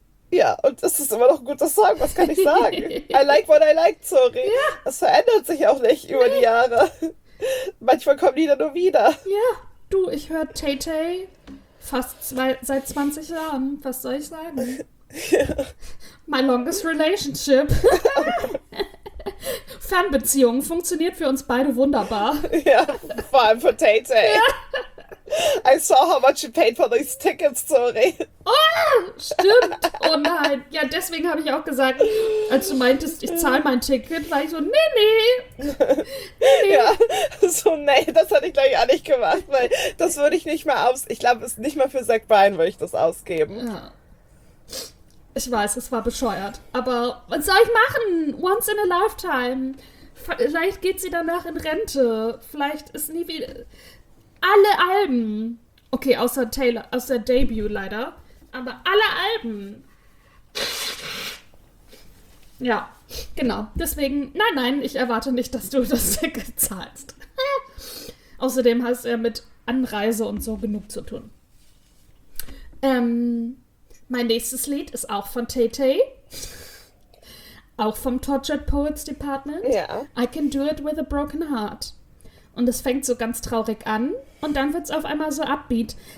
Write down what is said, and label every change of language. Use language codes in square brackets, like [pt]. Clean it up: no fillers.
[de] Ja, und es ist immer noch ein guter Song, was kann ich sagen? [en] I like what I like, sorry. [de] Es verändert sich auch nicht über die Jahre. Manchmal kommen die dann nur wieder. Ich höre Tay Tay seit 20 Jahren. Was soll ich sagen? [en] My longest relationship. [de] Fernbeziehung funktioniert für uns beide wunderbar. Ja, vor allem für Tay-Tay. [en] I saw how much you paid for these tickets, sorry. [de] Stimmt. Oh nein. Ja, deswegen habe ich auch gesagt, als du meintest, ich zahle mein Ticket, war ich so, nee, Ja, so, nee, das hatte ich glaube ich auch nicht gemacht, weil das würde ich nicht mal aus. Ich glaube, es nicht mal für Zach Bryan würde ich das ausgeben. ja. Ich weiß, es war bescheuert. Aber was soll ich machen? [en] Once in a lifetime. [de] Vielleicht geht sie danach in Rente. Vielleicht ist nie wieder. Alle Alben. Okay, außer Taylor, außer Debut leider. Aber alle Alben. Ja, genau. Deswegen, nein, nein, ich erwarte nicht, dass du das Ticket zahlst. Außerdem hast du ja mit Anreise und so genug zu tun. Mein nächstes Lied ist auch von Tay Tay. Auch vom Tortured Poets Department. Ja. [en] I can do it with a broken heart. [de] Und es fängt so ganz traurig an. Und dann wird es auf einmal so upbeat.